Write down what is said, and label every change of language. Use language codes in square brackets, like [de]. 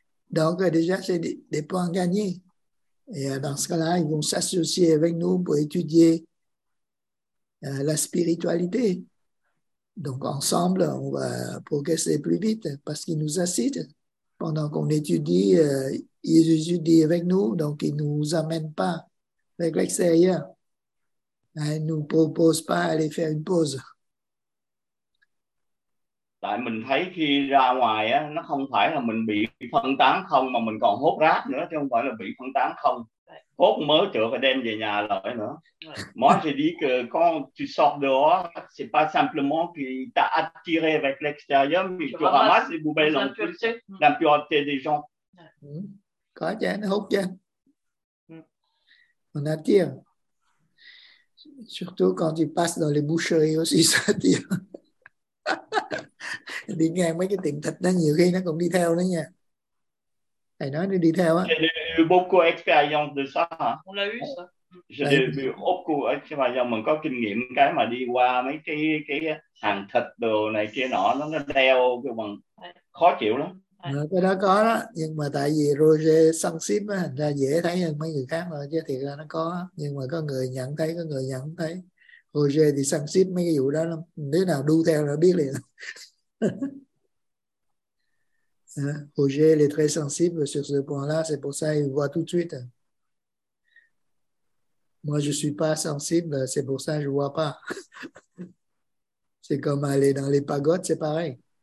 [fr] Donc déjà c'est des points gagnés et dans ce cas-là ils vont s'associer avec nous pour étudier la spiritualité, donc ensemble on va progresser plus vite parce qu'ils nous incitent pendant qu'on étudie, ils étudient avec nous, donc ils ne nous amènent pas avec l'extérieur, ils ne nous proposent pas d'aller faire une pause. [vi] Tại mình thấy khi ra ngoài á, nó không phải là mình bị phân tán không mà mình còn hốt rác nữa, chứ không phải là bị phân tán không. Hốt mớ trượt và đem về nhà lại nữa. [fr] Moi je dis que quand tu sors dehors, c'est pas simplement que tu as attiré avec l'extérieur, mais tu ramasses les poubelles en plus, l'impureté des gens. [vi] Có chứ, nó hốt chứ. [fr] On attire. Surtout quand tu passes dans les boucheries aussi, ça attire. [vi] Đi ngang mấy cái tiệm thịt đó nhiều khi nó cũng đi theo đó nha. Thầy nói nó đi theo á. [fr] J'ai eu beaucoup d'expérience de ça. On l'a eu ça. J'ai eu beaucoup d'expérience. [vi] Mình có kinh nghiệm cái mà đi qua mấy cái hàng thịt đồ này kia nọ, nó đeo cái bằng khó chịu lắm. Cái đó có đó. Nhưng mà tại vì Roger săn xếp á, thành ra dễ thấy hơn mấy người khác rồi. Chứ thiệt ra nó có. Nhưng mà có người nhận thấy, có người nhận thấy. Roger thì săn xếp mấy cái vụ đó lắm. Nếu nào đu theo là biết liền. [fr] Roger est très sensible sur ce point-là, c'est pour ça qu'il voit tout de suite. Moi, je ne suis pas sensible, c'est pour ça que je ne vois pas. C'est comme aller dans les pagodes, c'est pareil.